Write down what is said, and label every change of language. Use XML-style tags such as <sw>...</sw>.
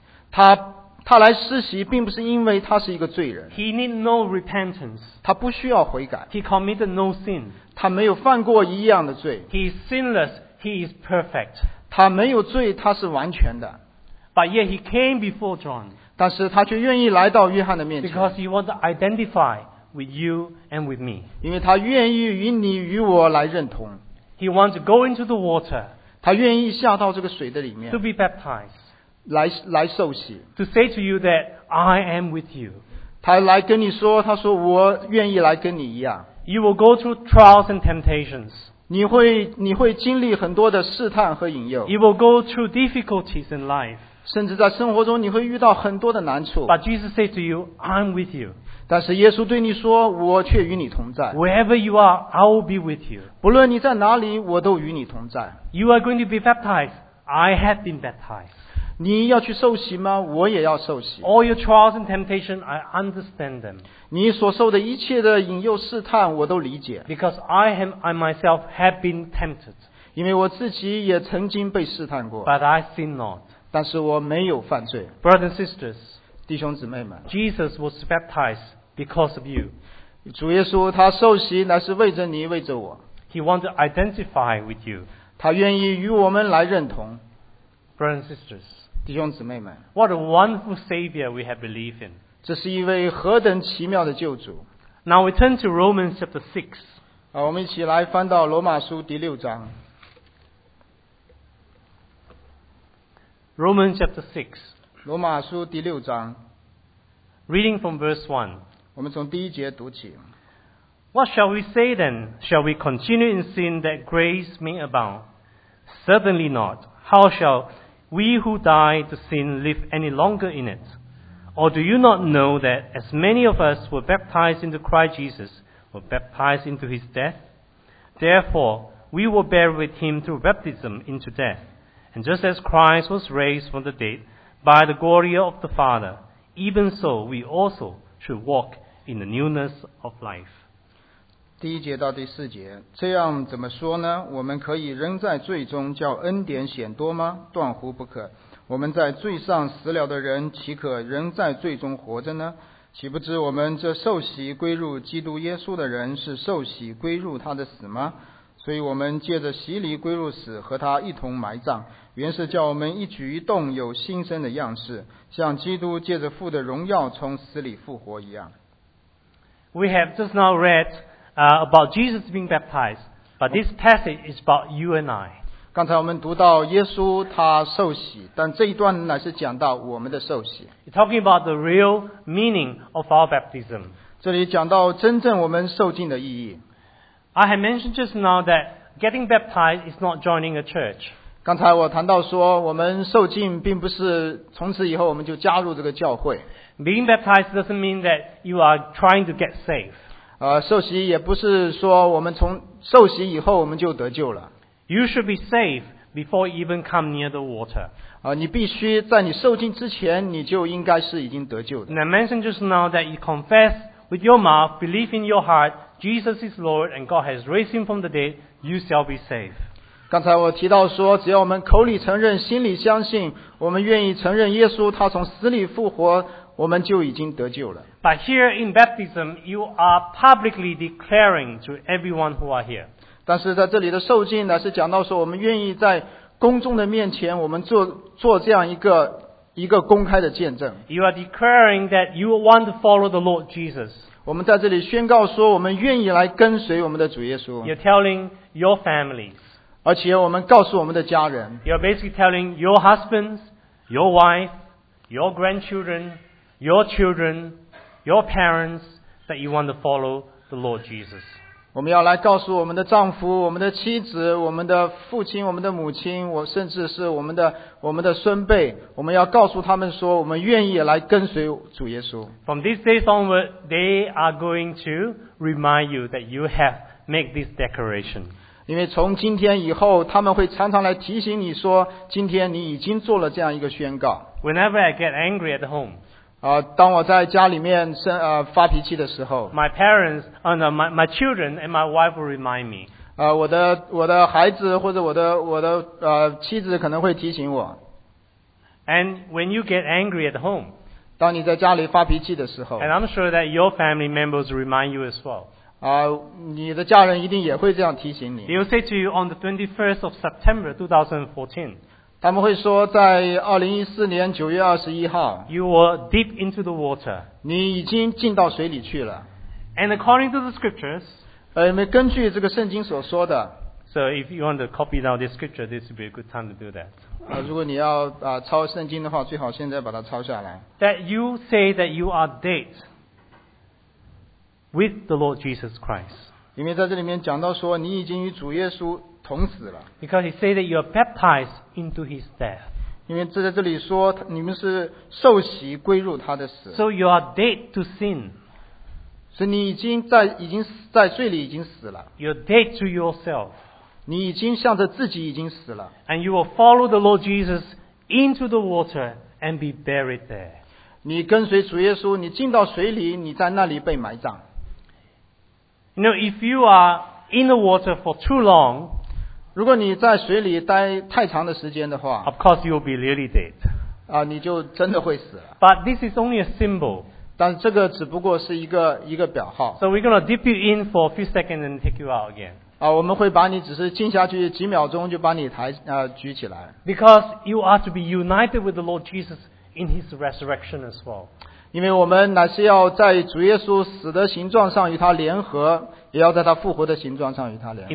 <zh>他来施洗并不是因为他是一个罪人。</zh> <en>He need no repentance.</en> <zh>他不需要悔改。</zh> <en>He committed no sin.</en> <zh>他没有犯过一样的罪。</zh> <en>He is sinless, he is perfect.</en> <zh>他没有罪，他是完全的。</zh> <en>But yet he came before John.</en> <zh>但是他却愿意来到约翰的面前。</zh> <en>Because he wants to identify with you and with me.</en> <zh>因为他愿意与你与我来认同。</zh> <en>He wants to go into the water.</en> <zh>他愿意下到这个水的里面。</zh> <en>To be baptized.</en> <zh>来受洗。</zh> <en>To say to you that I am with you.</en> <zh>他来跟你说，他说我愿意来跟你一样。</zh> <en>You will go through trials and temptations.</en> <zh>你会经历很多的试探和引诱。</zh> <en>You will go through difficulties in life.</en> <zh>甚至在生活中你会遇到很多的难处。</zh> <en>But Jesus said to you, I'm with you.</en> <zh>但是耶稣对你说，我却与你同在。</zh> <en>Wherever you are, I will be with you.</en> <zh>不论你在哪里，我都与你同在。</zh> <en>You are going to be baptized. I have been baptized.</en> <zh>你要去受洗吗？我也要受洗。</zh> <en>All your trials and temptations, I understand them.</en> <zh>你所受的一切的引诱试探我都理解。</zh> <en>Because I myself have been tempted.</en> <zh>因为我自己也曾经被试探过。</zh> <en>But I sin not.</en> <zh>但是我没有犯罪。</zh> <en>Brothers and sisters,</en> <zh>弟兄姊妹们。</zh> <en>Jesus was baptized because of you.</en> <zh>主耶稣他受洗乃是为着你为着我。</zh> <en>He wants to identify with you.</en> <zh>他愿意与我们来认同。</zh> <en>Brothers and sisters,</en> <zh>弟兄姊妹们。</zh> <en>What a wonderful Savior we have believed in.</en> <zh>这是一位何等奇妙的救主。</zh> <en>Now we turn to Romans chapter 6.</en> <zh>好，我们一起来翻到罗马书第六章。</zh> <en>Romans chapter 6.</en> <zh>罗马书第六章。</zh> <en>Reading from verse 1.</en> <zh>我们从第一节读起。</zh> <en>What shall we say then? Shall we continue in sin that grace may abound? Certainly not. How shall we who die to sin live any longer in it? Or do you not know that as many of us were baptized into Christ Jesus, were baptized into his death? Therefore, we were buried with him through baptism into death. And just as Christ was raised from the dead by the glory of the Father, even so we also should walk in the newness of life.</en> <zh>第一节到第四节，这样怎么说呢？我们可以仍在罪中叫恩典显多吗？断乎不可。我们在罪上死了的人岂可仍在罪中活着呢？岂不知我们这受洗归入基督耶稣的人是受洗归入他的死吗？所以我们借着洗礼归入死，和他一同埋葬，原是叫我们一举一动有新生的样式，像基督借着父的荣耀从死里复活一样。</zh> <en>We have just now read about Jesus being baptized, but this passage is about you and I.</en> <zh>刚才我们读到耶稣他受洗，但这一段乃是讲到我们的受洗。</zh> <en>He's talking about the real meaning of our baptism.</en> <zh>这里讲到真正我们受浸的意义。</zh> <en>I have mentioned just now that getting baptized is not joining a church.</en> <zh>刚才我谈到说，我们受浸并不是从此以后我们就加入这个教会。</zh> <en>Being baptized doesn't mean that you are trying to get saved.</en> <zh>受洗也不是说我们从受洗以后我们就得救了。</zh> <en>You should be saved before you even come near the water.</en> <zh>你必须在你受浸之前，你就应该是已经得救的。</zh> <en>And I mentioned just now that you confess with your mouth, believe in your heart, Jesus is Lord and God has raised him from the dead, you shall be saved.</en> <zh>刚才我提到说，只要我们口里承认，心里相信，我们愿意承认耶稣他从死里复活，我们就已经得救了。</zh> <en>But here in baptism, you are publicly declaring to everyone who are here.</en> <zh>但是在这里的受浸呢，是讲到说，我们愿意在公众的面前，我们做这样一个公开的见证。</zh> <en>You are declaring that you want to follow the Lord Jesus.</en> <zh>我们在这里宣告说，我们愿意来跟随我们的主耶稣。</zh> <en>You're telling your families.</en> <zh>而且我们告诉我们的家人。</zh> <en>You're basically telling your husbands, your wife, your grandchildren. Your children, your parents, that you want to follow the Lord Jesus.</en> <zh>我们要来告诉我们的丈夫、我们的妻子、我们的父亲、我们的母亲，甚至是我们的孙辈，我们要告诉他们说，我们愿意来跟随主耶稣。</zh> <en>From these days onward, they are going to remind you that you have made this declaration.</en> <zh>因为从今天以后，他们会常常来提醒你说，今天你已经做了这样一个宣告。</zh> <en>Whenever I get angry at home.</en> <zh>当我在家里面发脾气的时候</zh> <en>，My parents, my children and my wife will remind me.</en> <zh>我的孩子或者我的妻子可能会提醒我。</zh> <en>And when you get angry at home,</en> <zh>当你在家里发脾气的时候</zh> <en>，And I'm sure that your family members remind you as well.</en> <zh>你的家人一定也会这样提醒你。</zh> <en>They will say to you on the 21st of September 2014.</en> <zh>他们会说，在2014年9月21号</zh> <en>，You were deep into the water.</en> <zh>你已经进到水里去了。</zh> <en>And according to the scriptures,</en> <zh>根据这个圣经所说的。</zh> <en>So if you want to copy down this scripture, this would be a good time to do that.</en> <zh>如果你要抄圣经的话，最好现在把它抄下来。</zh> <en>That you say that you are dead with the Lord Jesus Christ.</en> <zh>因为在这里面讲到说，你已经与主耶稣。</zh> <en>Because he said that you are baptized into his death.</en> <zh>因为这在这里说，你们是受洗归入他的死。</zh> <en>So you are dead to sin.</en> <zh>所以你已经在罪里已经死了。</zh> <en>You are dead to yourself.</en> <zh>你已经向着自己已经死了。</zh> <en>And you will follow the Lord Jesus into the water and be buried there.</en> <zh>你跟随主耶稣，你进到水里，你在那里被埋葬。</zh> <en>You know, if you are in the water for too long.</en> <zh>如果你在水里待太长的时间的话</zh> <en>，Of course you'll be really dead.</en> <zh>你就真的会死了。</zh> <en>But this is only a symbol.</en> <zh>但这个只不过是一个表号。</zh> <en>So we're gonna dip you in for a few seconds and take you out again.</en> <zh>我们会把你只是浸下去几秒钟就把你举起来。</zh> <en>Because you are to be united with the Lord Jesus in His resurrection as well.</en> <zh>因为我们乃是要在主耶稣死的形状上与他联合，也要在他复活的形状上与他联合。</zh>